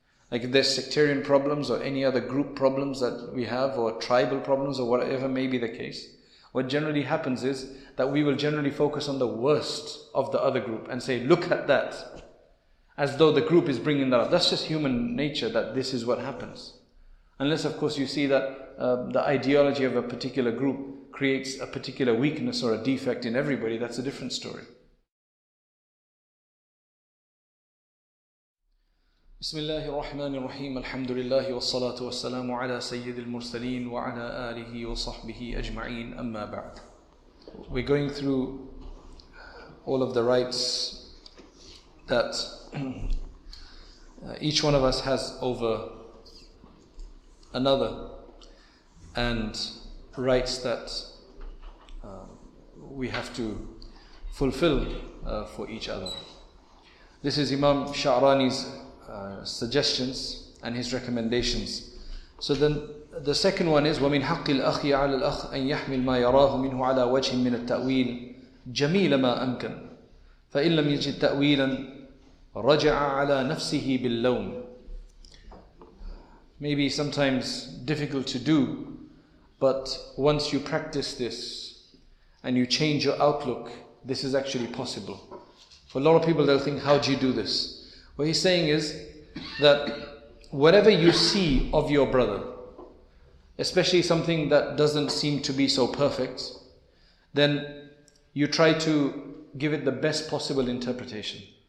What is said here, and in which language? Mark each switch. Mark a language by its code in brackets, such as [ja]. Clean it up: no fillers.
[en] Like if there's sectarian problems or any other group problems that we have, or tribal problems or whatever may be the case, what generally happens is that we will generally focus on the worst of the other group and say, look at that, as though the group is bringing that up. That's just human nature, that this is what happens. Unless of course you see that the ideology of a particular group creates a particular weakness or a defect in everybody, that's a different story. [ar] بسم الله الرحمن الرحيم الحمد لله والصلاة والسلام على سيد المرسلين وعلى آله وصحبه أجمعين أما بعد. [en] We're going through all of the rights that each one of us has over another, and rights that we have to fulfill for each other. This is Imam Sha'rani's suggestions and his recommendations. So then the second one is, [ar] وَمِنْ حَقِّ الْأَخِي عَلَى الْأَخِ أَنْ يَحْمِلْ مَا يَرَاهُ مِنْهُ عَلَى وَجْهٍ مِنَ التَّأْوِيلِ جَمِيلَ مَا أَمْكَنْ فَإِنْ لَمْ يَجِدْ تَأْوِيلًا رَجَعَ عَلَى نَفْسِهِ بِاللَّوْمِ. [en] Maybe sometimes difficult to do, but once you practice this and you change your outlook, this is actually possible. For a lot of people, they'll think, how do you do this? What he's saying is that whatever you see of your brother, especially something that doesn't seem to be so perfect, then you try to give it the best possible interpretation.